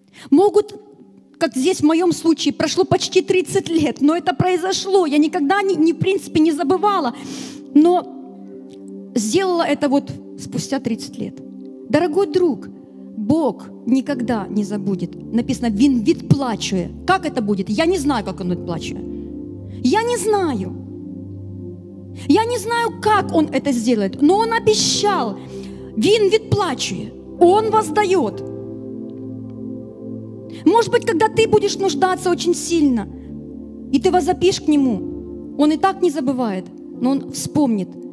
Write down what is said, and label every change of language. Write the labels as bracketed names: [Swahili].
[Russian] Могут, как здесь в моем случае, прошло почти 30 лет, но это произошло, я никогда в принципе не забывала, но сделала это вот спустя 30 лет. Дорогой друг, Бог никогда не забудет. Написано, [Ukrainian] Він відплачує. [Russian] Как это будет? Я не знаю, как Он [Ukrainian] відплачує. [Russian] Я не знаю. Я не знаю, как он это сделает. Но он обещал. [Ukrainian] Він відплачує. [Russian] Он воздает. Может быть, когда ты будешь нуждаться очень сильно, и ты возопишь к нему, он и так не забывает, но он вспомнит.